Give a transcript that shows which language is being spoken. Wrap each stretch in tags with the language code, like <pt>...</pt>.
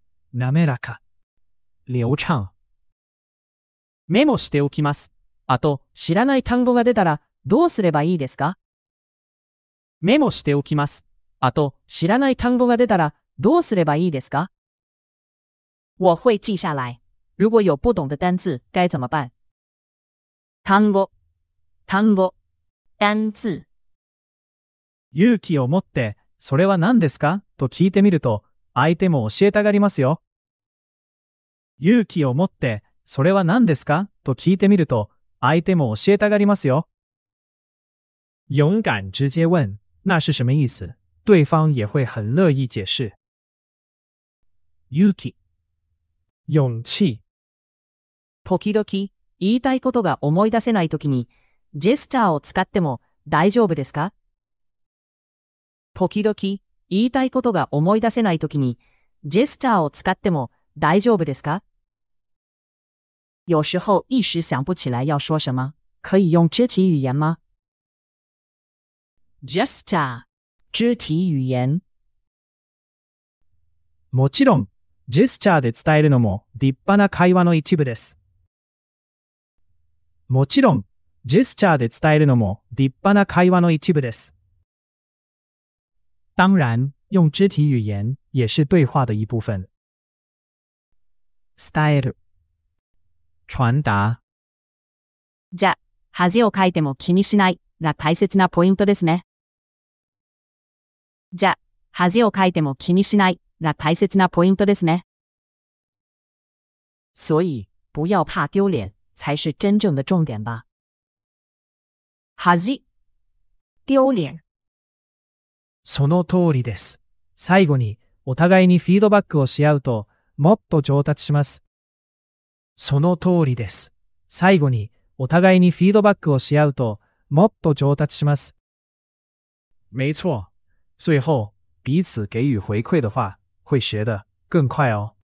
<ja>滑らか、</ja> <zh>流畅。</zh> <ja>メモしておきます。あと、知らない単語が出たら、どうすればいいですか？メモしておきます。あと、知らない単語が出たら、どうすればいいですか？</ja> <zh>我会记下来。如果有不懂的单字、该怎么办？</zh> <ja>単語、単語、</ja> <zh>单字。</zh> <ja>勇気を持って、それは何ですか？と聞いてみると、相手も教えたがりますよ。勇気を持って、それは何ですか？と聞いてみると、相手も教えたがりますよ。</ja> <zh>勇敢直接问、那是什么意思？对方也会很乐意解释。</zh> <ja>勇気、</ja> <zh>勇气。</zh> <ja>時々、言いたいことが思い出せないときに、ジェスチャーを使っても大丈夫ですか？時々、言いたいことが思い出せないときに、ジェスチャーを使っても大丈夫ですか？</ja> <zh>有时候一时想不起来要说什么，可以用肢体语言吗？</zh> <en>Gesture</en> <zh>肢体语言。</zh> <ja>もちろん、ジェスチャーで伝えるのも立派な会話の一部です。もちろん、ジェスチャーで伝えるのも立派な会話の一部です。</ja> <zh>当然、用肢体语言也是对话的一部分。</zh> <ja>伝える。</ja> <zh>传达。</zh> <ja>じゃ、恥をかいても気にしないが大切なポイントですね。じゃ、恥をかいても気にしないが大切なポイントですね。</ja> <zh>所以、不要怕丢脸才是真正的重点吧。</zh> <ja>恥、丢脸。その通りです。最後に、お互いにフィードバックをし合うと、もっと上達します。その通りです。最後に、お互いにフィードバックをし合うと、もっと上達します。</ja> <zh>没错。最后、彼此给予回馈的话、会学得更快哦。</zh>